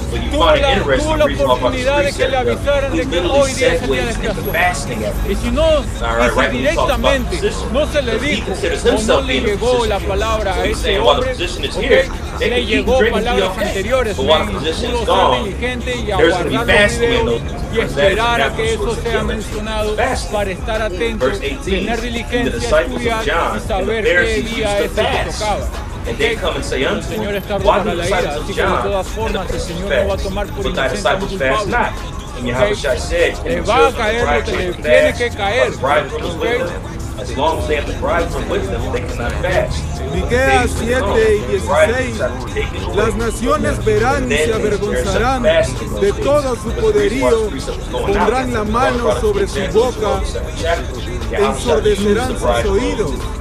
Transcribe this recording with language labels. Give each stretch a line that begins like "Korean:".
Spanish: Tuvo la oportunidad de que le avisaran de que hoy día es el día de fasting. Y si no, dice directamente, no se le dijo, o no le llegó la palabra a ese hombre, le llegó palabras anteriores, pudo ser diligente y aguardar los videos y esperar a que eso sea mencionado para estar atento, tener diligencia, estudiar y saber qué día es el que tocaba.
English: And they come and say unto him, why do the disciples of John and the prophets fast, but thy disciples fast not? And Yahawashah said, and the children of the bridegroom fast, but the bridegroom is with them. As long as they have the bridegroom with them, they cannot fast.
Spanish: Miqueas 7 y 16, las naciones verán y se avergonzarán de todo su poderío, pondrán la mano sobre su boca, ensordecerán sus oídos.